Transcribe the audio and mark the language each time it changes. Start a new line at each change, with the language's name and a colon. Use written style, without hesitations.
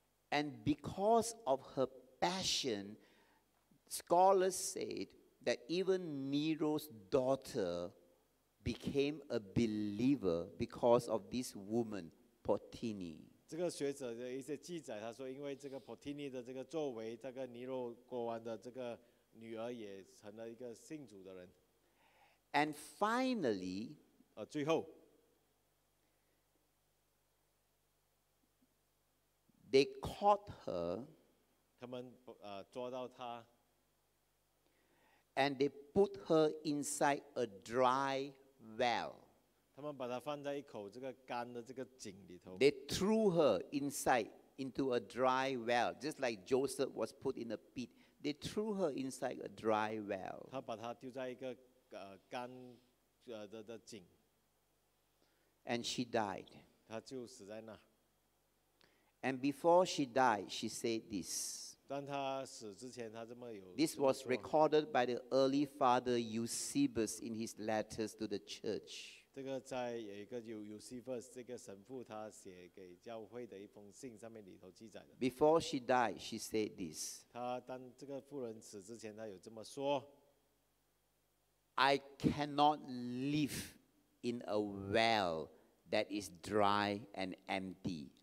English: And because of her passion, scholars said that even Nero's daughter became a believer because of this woman, Potini.
Chinese: 这个学者的一些记载，他说，因为这个Potini的这个作为，这个尼罗国王的这个女儿也成了一个信主的人。
English: And finally,
Chinese: 最后
English: they caught her.
Chinese: 他们抓到她。
English: And they put her inside a dry well.
Chinese: 他们把她放在一口这个干的这个井里头。
English: They threw her inside into a dry well, just like Joseph was put in a pit. They threw her inside a dry well.
Chinese: 他把她丢在一个干的井。
English: And she died.
Chinese: 她就死在那。
English: And before she died, she said this.
Chinese: 当他死之前，他这么有。
English: This was recorded by the early father Eusebius in his letters to the church.
Chinese: 这个在有一个Eusebius这个神父他写给教会的一封信上面里头记载的。
English: Before she died, she said this.
Chinese: 他当这个妇人死之前，他有这么说。
English: I cannot live in a well that is dry and empty.